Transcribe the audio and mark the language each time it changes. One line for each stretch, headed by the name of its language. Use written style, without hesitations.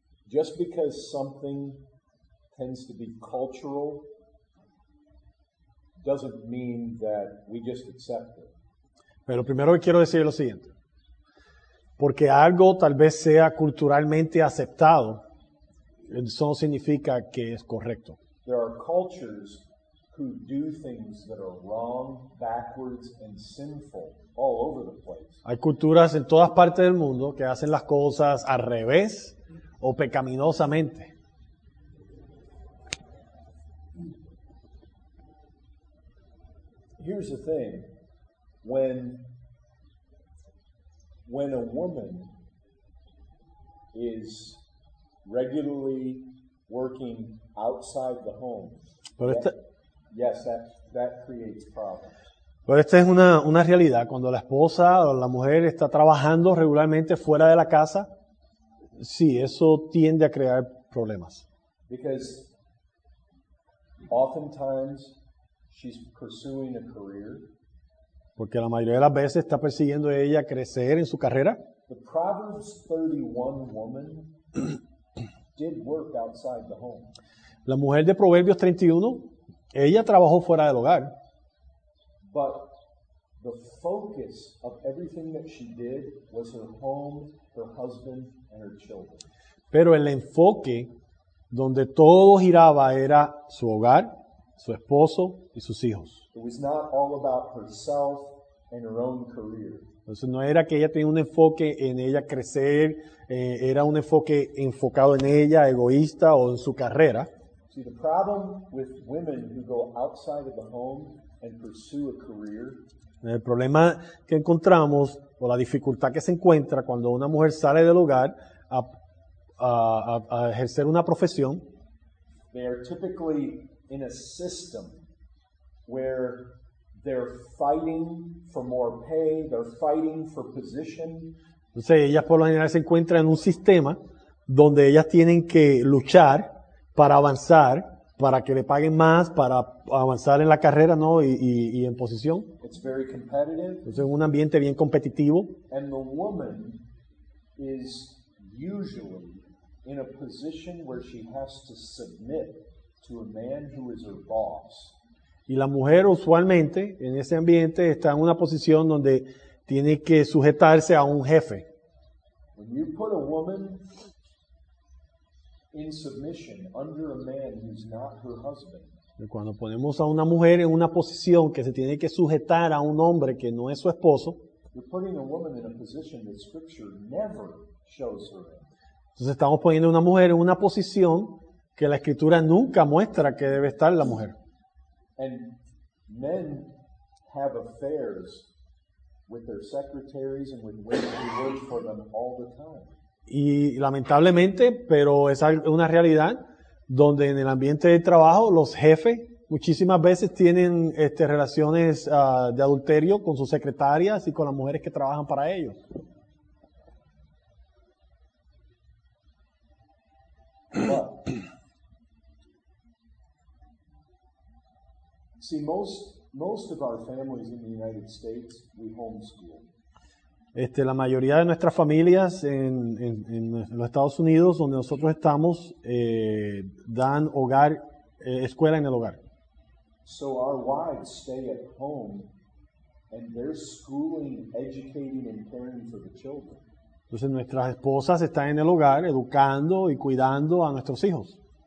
English: Just because something tends to be cultural doesn't mean that we just accept it.
Spanish: Pero primero quiero decir lo siguiente. Porque algo tal vez sea culturalmente aceptado, eso no significa que es correcto.
English: There are cultures who do things that are wrong, backwards, and sinful all over the place.
Spanish: Hay culturas en todas partes del mundo que hacen las cosas al revés o pecaminosamente.
English: Here's the thing. When a woman is regularly working outside the home, that creates problems.
Spanish: Pero esta es una realidad. Cuando la esposa o la mujer está trabajando regularmente fuera de la casa, sí, eso tiende a crear problemas.
English: Because oftentimes she's pursuing a career.
Spanish: Porque la mayoría de las veces está persiguiendo ella crecer en su carrera.
English: The Proverbs 31 woman did work outside the home.
Spanish: La mujer de Proverbios 31, ella trabajó fuera del hogar.
English: But the focus of everything that she did was her home, her husband, and her children.
Spanish: Pero el enfoque donde todo giraba era su hogar, su esposo y sus hijos.
English: It was not all about herself and her own career.
Spanish: Entonces no era que ella tenía un enfoque en ella crecer, era un enfoque enfocado en ella, egoísta o en su carrera.
English: See, the problem with women who go outside of the home and pursue a career.
Spanish: El problema que encontramos o la dificultad que se encuentra cuando una mujer sale del hogar a ejercer una profesión.
English: They are typically in a system where they're fighting for more pay, they're fighting for position.
Spanish: Entonces, ellas por lo general se encuentran en un sistema donde ellas tienen que luchar para avanzar, para que le paguen más, para avanzar en la carrera, ¿no? Y en posición.
English: It's very competitive.
Spanish: Entonces, es un ambiente bien competitivo.
English: And the woman is usually in a position where she has to submit to a man who is her boss.
Spanish: Y la mujer usualmente en ese ambiente está en una posición donde tiene que sujetarse a un jefe.
English: When you put a woman in submission under a man who's not her husband.
Spanish: Cuando ponemos a una mujer en una posición que se tiene que sujetar a un hombre que no es su esposo,
English: you're putting a woman in a position that scripture never shows her in.
Spanish: Entonces estamos poniendo a una mujer en una posición que la Escritura nunca muestra que debe estar la mujer.
English: And men have affairs with their secretaries and with women who work for them all the time.
Spanish: Y lamentablemente, pero es una realidad donde en el ambiente de trabajo los jefes muchísimas veces tienen relaciones de adulterio con sus secretarias y con las mujeres que trabajan para ellos.
English: See, most of our families in the United States, we homeschool.
Spanish: La mayoría de nuestras familias en los Estados Unidos, donde nosotros estamos, dan hogar, escuela en el hogar.
English: So our wives stay at home, and they're schooling, educating, and caring for the children.
Spanish: Entonces nuestras esposas están en el hogar, educando y cuidando a nuestros hijos.